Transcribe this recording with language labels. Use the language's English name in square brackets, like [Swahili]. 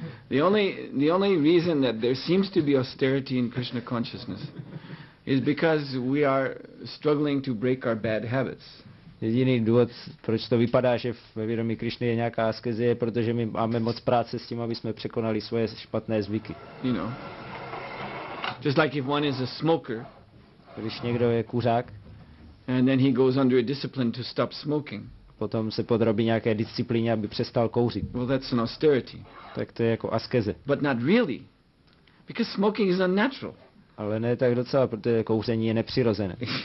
[English] The only reason that there seems to be austerity in Krishna consciousness is because we are struggling to break our bad habits. [Czech] Jediný důvod, proč to vypadá, že ve vědomí Krišny je nějaká askeze, je protože my máme moc práce s tím, aby jsme překonali svoje špatné zvyky. [English] You know. Just like if one is a smoker. [Czech] Když někdo je kuřák. [English] And then he goes under a discipline to stop smoking. [Czech] potom se podrobí nějaké disciplíně, aby přestal kouřit. [English] Well, that's an austerity. [Czech] Tak to je jako askeze. [English] But not really, because smoking is unnatural. [Czech] Ale ne tak docela, protože kouření je nepřirozené.